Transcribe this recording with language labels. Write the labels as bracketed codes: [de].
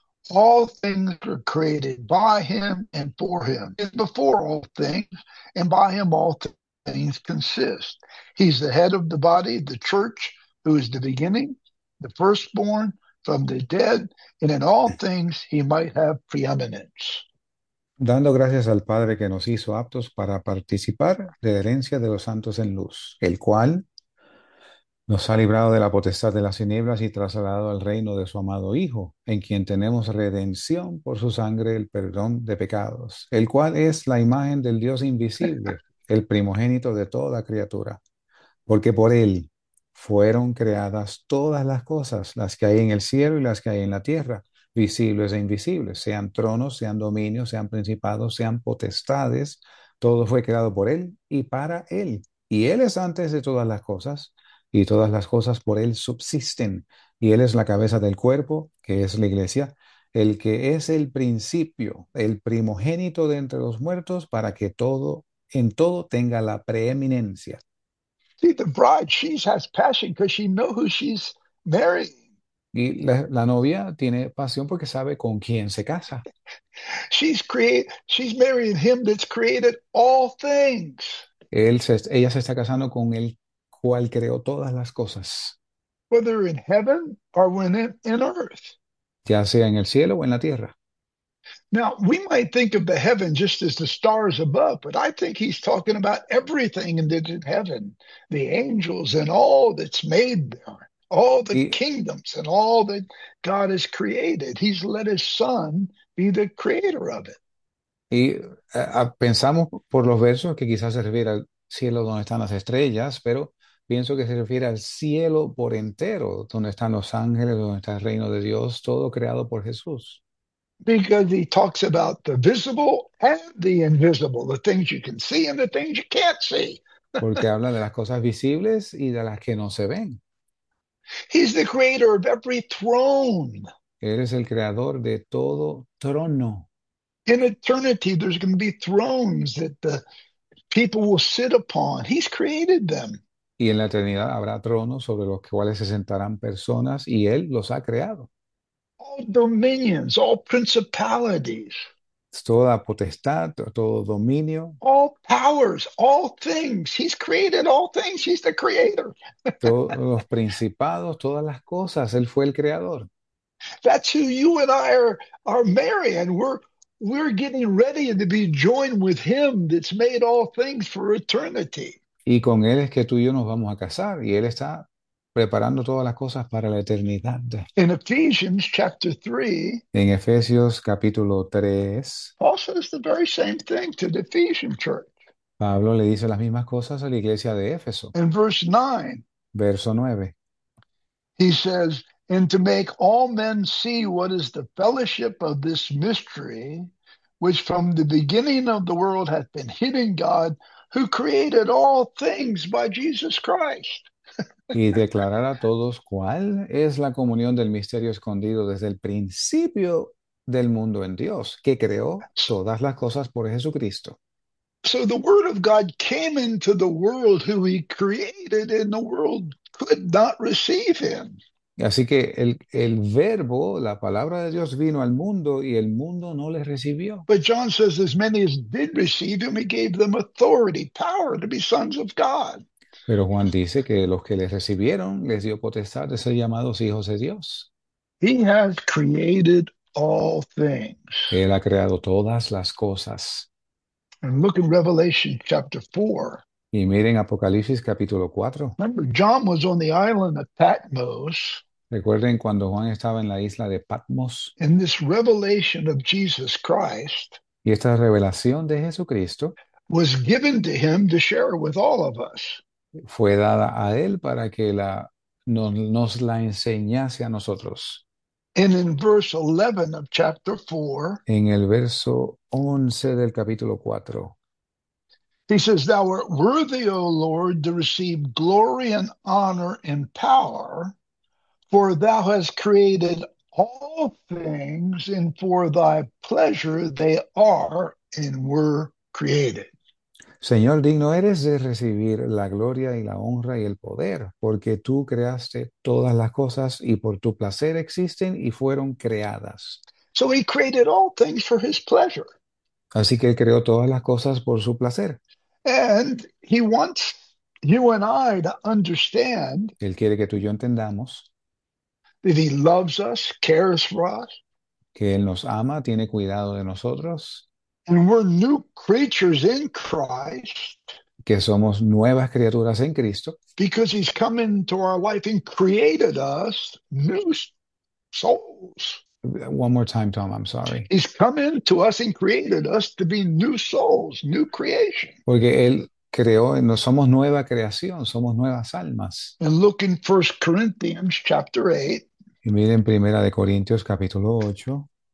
[en] All things were created by him and for him, and before all things, and by him all things consist. He's the head of the body, the church, who is the beginning, the firstborn from the dead, and in all things he might have preeminence. [es] Dando gracias al Padre que nos hizo aptos para participar de la herencia de los santos en luz, el cual nos ha librado de la potestad de las tinieblas y trasladado al reino de su amado Hijo, en quien tenemos redención por su sangre, el perdón de pecados, el cual es la imagen del Dios invisible, el primogénito de toda criatura, porque por él fueron creadas todas las cosas, las que hay en el cielo y las que hay en la tierra, visibles e invisibles, sean tronos, sean dominios, sean principados, sean potestades, todo fue creado por él y para él. Y él es antes de todas las cosas, y todas las cosas por él subsisten. Y él es la cabeza del cuerpo, que es la iglesia, el que es el principio, el primogénito de entre los muertos, para que todo, en todo tenga la preeminencia. [en] See, the bride, she has passion because she knows who she's marrying. [es] Y la novia tiene pasión porque sabe con quién se casa. [en] She's marrying him that's created all things. [es] Ella se está casando con el cual creó todas las cosas, [en] Whether in heaven or when in earth. [es] ya sea en el cielo o en la tierra. [en] Now, we might think of the heaven just as the stars above, but I think he's talking about everything in the heaven, the angels and all that's made there, all the [es] Y [en] kingdoms and all that God has created. He's let his son be the creator of it. [es] pensamos por los versos que quizás se refiere al cielo donde están las estrellas, pero pienso que se refiere al cielo por entero, donde están los ángeles, donde está el reino de Dios, todo creado por Jesús. [en] Because he talks about the visible and the invisible, the things you can see and the things you can't see. [es] Porque habla de las cosas visibles y de las que no se ven. [en] He's the creator of every throne. [es] Él es el creador de todo trono. [en] In eternity, there's going to be thrones that the people will sit upon. He's created them. [es] Y en la eternidad habrá tronos sobre los cuales se sentarán personas y Él los ha creado. [en] All dominions, all principalities, [es] Toda potestad, todo dominio. [en] all powers, all things. He's created all things. He's the creator. [es] Todos los principados, todas las cosas, Él fue el creador. [en] That's who you and I are marrying. We're getting ready to be joined with him that's made all things for eternity. [es] Y con Él es que tú y yo nos vamos a casar y Él está preparando todas las cosas para la eternidad. [en] In Ephesians chapter 3, [es] En Efesios capítulo 3, [en] Paul says the very same thing to the Ephesian church. [es] Pablo le dice las mismas cosas a la iglesia de Éfeso. [en] In verse 9, [es] Verso 9. [en] he says, and to make all men see what is the fellowship of this mystery, which from the beginning of the world hath been hidden God, who created all things by Jesus Christ. [es] Y declarar a todos cuál es la comunión del misterio escondido desde el principio del mundo en Dios, que creó todas las cosas por Jesucristo. [en] So the word of God came into the world who he created, and the world could not receive him. [es] Así que el verbo, la palabra de Dios vino al mundo y el mundo no le recibió. [en] But John says, as many as did receive him, he gave them authority, power to be sons of God. [es] Pero Juan dice que los que les recibieron les dio potestad de ser llamados hijos de Dios. [en] He has created all things. [es] Él ha creado todas las cosas. [en] And look in Revelation chapter 4. [es] Y miren Apocalipsis capítulo 4. [en] Remember, John was on the island of Patmos. [es] Recuerden cuando Juan estaba en la isla de Patmos. [en] In this revelation of Jesus Christ [es] Y esta revelación de Jesucristo [en] was given to him to share with all of us. [es] fue dada a él para que nos la enseñase a nosotros. [en] And in verse 11 of chapter 4, [es] En el verso 11 del capítulo 4. [en] he says, thou art worthy, O Lord, to receive glory and honor and power, for thou hast created all things, and for thy pleasure they are and were created. [es] Señor, digno eres de recibir la gloria y la honra y el poder, porque tú creaste todas las cosas y por tu placer existen y fueron creadas. [en] So he created all things for his pleasure. [es] Así que él creó todas las cosas por su placer. [en] And he wants you and I to understand [es] Él quiere que tú y yo entendamos [en] that he loves us, cares for us, [es] que él nos ama, tiene cuidado de nosotros. [en] and we're new creatures in Christ [es] Que somos nuevas criaturas en Cristo. [en] because he's come into our life and created us new souls. One more time, Tom, I'm sorry. He's come into us and created us to be new souls, new creation. [es] Porque Él creó, no somos nueva creación, somos nuevas almas. [en] And look in 1 Corinthians chapter 8. [es] Y miren Primera de Corintios capítulo 8.